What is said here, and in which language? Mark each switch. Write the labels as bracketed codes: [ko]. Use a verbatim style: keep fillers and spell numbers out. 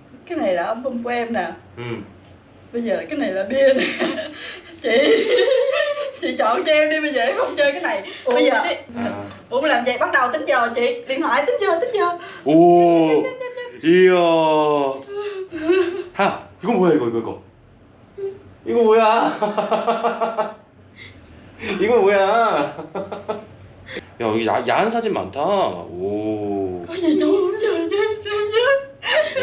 [vi] Cái này là album của em nè. [ko] 음. [vi] Bây giờ là cái này là bia nè. Chị chị chọn cho em đi, bây giờ em không chơi cái này. Uống Bây giờ đi [ko] 아. [vi] Ủa làm vậy bắt đầu tính giờ chị, điện thoại tính giờ tính giờ. [ko] 오. 이야. 하. 이거 뭐야 이거 이거 이거. 이거 뭐야? 이거 뭐야? 야, 여기 야, 야한 사진 많다. 오. [vi] Có gì đâu giờ cho em xem chứ.